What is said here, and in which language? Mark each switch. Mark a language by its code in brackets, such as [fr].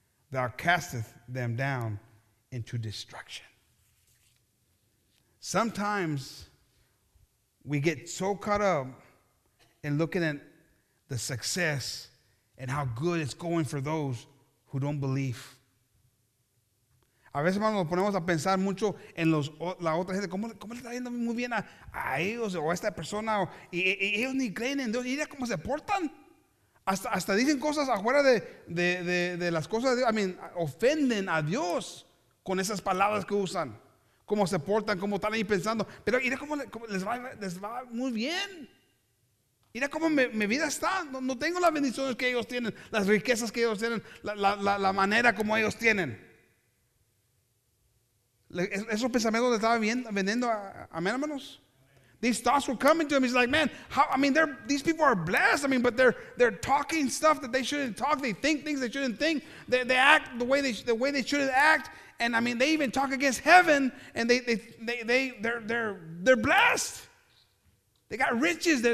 [en] Thou castest them down into destruction. Sometimes we get so caught up in looking at the success and how good it's going for those who don't believe. [es] A veces, hermano, nos ponemos a pensar mucho en la otra gente. ¿Cómo le está yendo muy bien a ellos o a esta persona? Y ellos ni creen en Dios. ¿Y mira cómo se portan? Hasta dicen cosas afuera de las cosas de Dios. [en] I mean, [es] ofenden a Dios con esas palabras que usan. Cómo se portan, cómo están ahí pensando. Pero mira cómo les va muy bien. Mira cómo mi vida está. No tengo las bendiciones que ellos tienen, las riquezas que ellos tienen, la manera como ellos tienen. Esos pensamientos le estaba vendiendo a mi hermano. [en] These thoughts were coming to him. He's like, man, these people are blessed. I mean, but they're talking stuff that they shouldn't talk. They think things they shouldn't think. They act the way they shouldn't act. And I mean, they even talk against heaven. And they're blessed. They got riches there.